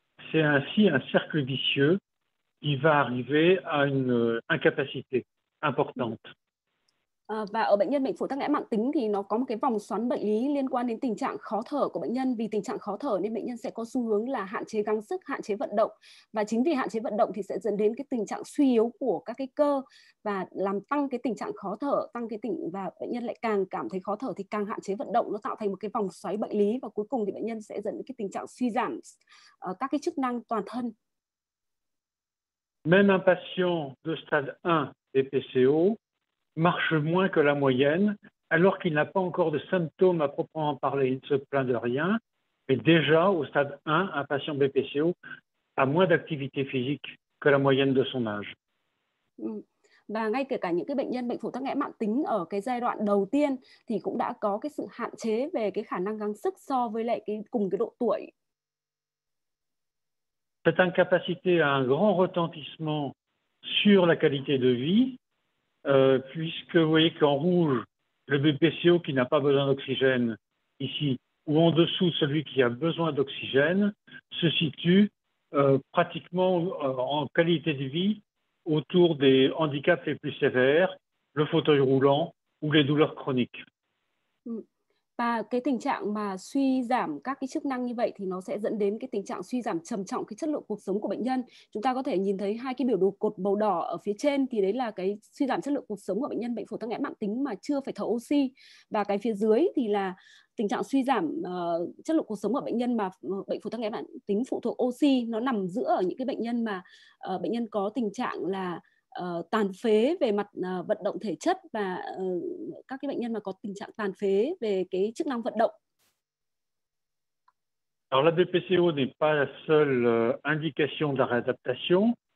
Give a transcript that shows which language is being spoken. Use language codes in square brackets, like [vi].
[fr] C'est ainsi un cercle vicieux qui va arriver à une incapacité importante. [vi] Và ở bệnh nhân bệnh phổi tắc nghẽn mãn tính thì nó có một cái vòng xoắn bệnh lý liên quan đến tình trạng khó thở của bệnh nhân. Vì tình trạng khó thở nên bệnh nhân sẽ có xu hướng là hạn chế gắng sức, hạn chế vận động. Và chính vì hạn chế vận động thì sẽ dẫn đến cái tình trạng suy yếu của các cái cơ và làm tăng cái tình trạng khó thở, tăng cái tình và bệnh nhân lại càng cảm thấy khó thở thì càng hạn chế vận động, nó tạo thành một cái vòng xoáy bệnh lý và cuối cùng thì bệnh nhân sẽ dẫn đến cái tình trạng suy giảm các cái chức năng toàn thân. [fr] Même un patient de stade 1 BPCO marche moins que la moyenne, alors qu'il n'a pas encore de symptômes à proprement parler, il ne se plaint de rien. Mais déjà, au stade 1, un patient BPCO a moins d'activité physique que la moyenne de son âge. [vi] Và ngay kể cả những cái bệnh nhân bệnh phổi tắc nghẽn mãn tính ở cái giai đoạn đầu tiên thì cũng đã có cái sự hạn chế về cái khả năng gắng sức so với lại cái cùng cái độ tuổi. [fr] Cette incapacité a un grand retentissement sur la qualité de vie. Puisque vous voyez qu'en rouge, le BPCO qui n'a pas besoin d'oxygène ici, ou en dessous celui qui a besoin d'oxygène, se situe pratiquement en qualité de vie autour des handicaps les plus sévères, le fauteuil roulant ou les douleurs chroniques. [vi] Và cái tình trạng mà suy giảm các cái chức năng như vậy thì nó sẽ dẫn đến cái tình trạng suy giảm trầm trọng cái chất lượng cuộc sống của bệnh nhân. Chúng ta có thể nhìn thấy hai cái biểu đồ cột màu đỏ ở phía trên thì đấy là cái suy giảm chất lượng cuộc sống của bệnh nhân bệnh phổi tắc nghẽn mãn tính mà chưa phải thở oxy. Và cái phía dưới thì là tình trạng suy giảm chất lượng cuộc sống của bệnh nhân mà bệnh phổi tắc nghẽn mãn tính phụ thuộc oxy. Nó nằm giữa ở những cái bệnh nhân mà bệnh nhân có tình trạng là tàn phế về mặt vận động thể chất và các cái bệnh nhân mà có tình trạng tàn phế về cái chức năng vận động. [fr] Alors la BPCO n'est pas la seule indication de la réadaptation.